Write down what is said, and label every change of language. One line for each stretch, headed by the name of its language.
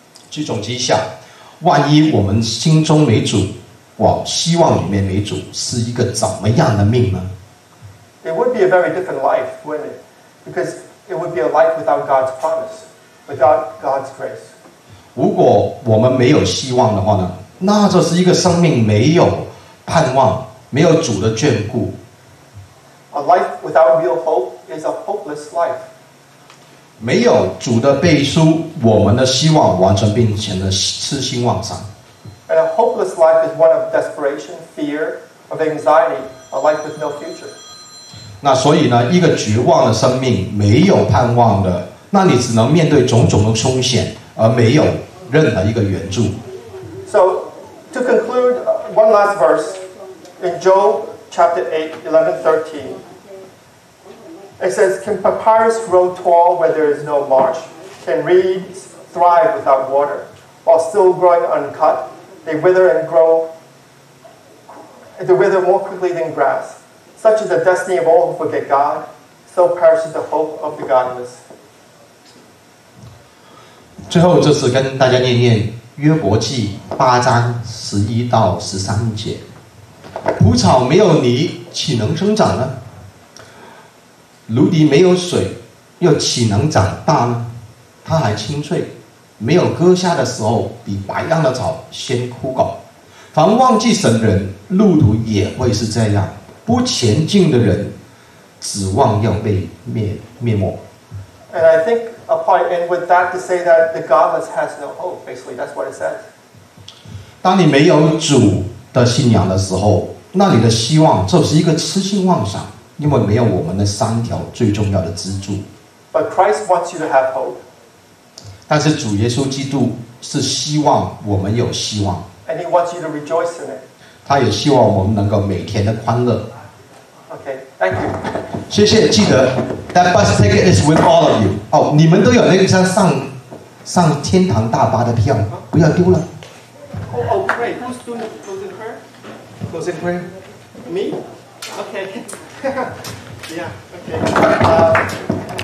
Chinese: 举重机下，万一我们心中没主，往希望里面没主，是一个怎么样的命呢？
English: It would be a very different life, wouldn't it? Because it would be a life without God's promise, without God's grace.
Chinese: 如果我们没有希望的话呢，那就是一个生命没有盼望，没有主的眷顾。
English: A life without real hope is a hopeless life.
Chinese: 没有主的背书，我们的希望完全变成了痴心妄想。
English: And a hopeless life is one of desperation, fear, of anxiety, a life with no future.
Chinese: 那所以呢，一个绝望的生命，没有盼望的，那你只能面对种种的凶险，而没有任何一个援助。
English: So, to conclude, one last verse in Job. Chapter 8:11-13. It says, "Can papyrus grow tall where there is no marsh? Can reeds thrive without water? While still growing uncut, they wither and grow. They wither more quickly than grass. Such is the destiny of all who forget God. So perishes the hope of the godless."
Chinese: 最后就是跟大家念念约伯记八章十一到十三节。蒲草没有泥，岂能生长呢？芦荻没有水，又岂能长大呢？它还青翠，没有割下的时候，比白样的草先枯槁。凡忘记神的人，路途也会是这样；不前进的人，指望要被灭没。
English: And I think I'll probably end with that to say that the godless has no hope. Basically, that's what it says.
Chinese: 当你没有主的信仰的时候，那你的希望就是一个痴心妄想，因为没有我们的三条最重要的支柱。
English: But Christ wants you to have hope.
Chinese: 但是主耶稣基督是希望我们有希望。
English: And he wants you to rejoice in it.
Chinese: 他也希望我们能够每天的欢乐。
English: Okay, thank you.
Chinese: 谢谢，记得
English: that bus ticket is with all of you.
Chinese: 哦，你们都有那个上天堂大巴的票，不要丢了。
English: Oh, great. Who's doing the closing prayer? Me? Okay. Yeah, okay.